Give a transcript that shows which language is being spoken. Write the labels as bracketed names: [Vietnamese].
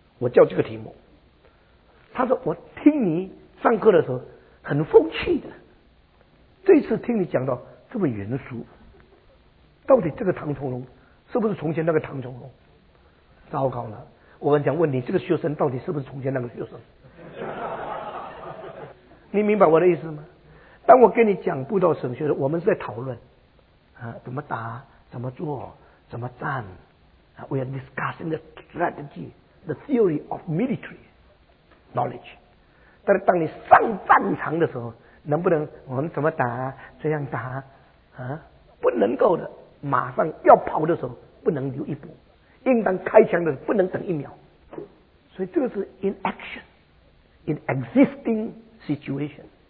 [Chinese] 我叫这个题目，他说我听你上课的时候很风趣的，这次听你讲到这么严肃，到底这个唐崇荣是不是从前那个唐崇荣？糟糕了，我跟你讲，问你这个学生到底是不是从前那个学生？你明白我的意思吗？当我跟你讲布道神学的，我们是在讨论啊，怎么打，怎么做，怎么战啊。 [English] We are discussing the strategy, the theory of military knowledge. [Chinese] 但是当你上战场的时候，能不能我们怎么打，这样打啊？不能够的，马上要跑的时候不能留一步，应当开枪的时候不能等一秒。所以这个是 [English] in action, in existing situation.